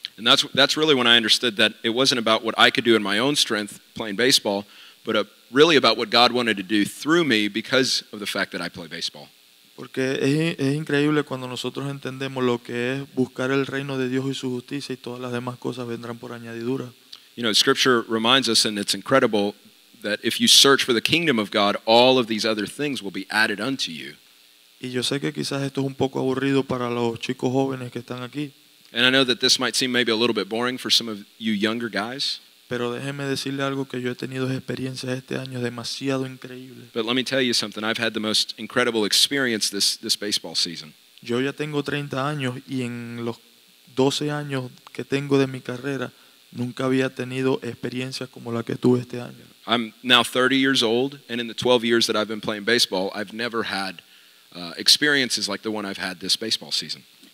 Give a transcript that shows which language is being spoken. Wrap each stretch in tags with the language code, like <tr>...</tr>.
<en>And that's really when I understood that it wasn't about what I could do in my own strength playing baseball, but really about what God wanted to do through me because of the fact that I play baseball.</en> <es>Porque es increíble cuando nosotros entendemos lo que es buscar el reino de Dios y su justicia y todas las demás cosas vendrán por añadidura.</es> <en>You know, Scripture reminds us, and it's incredible, that if you search for the kingdom of God, all of these other things will be added unto you.</en> <es>Y yo sé que quizás esto es un poco aburrido para los chicos jóvenes que están aquí.</es> <en>And I know that this might seem maybe a little bit boring for some of you younger guys.</en> <es>Pero déjeme decirle algo, que yo he tenido experiencias este año demasiado increíbles.</es> <en>But let me tell you something, I've had the most incredible experience this baseball season.</en> <es>Yo ya tengo 30 años y en los 12 años que tengo de mi carrera, nunca había tenido experiencias como la que tuve este año.</es> <en>I'm now 30 years old, and in the 12 years that I've been playing baseball, I've never had experiences like the one I've had this baseball season.</en>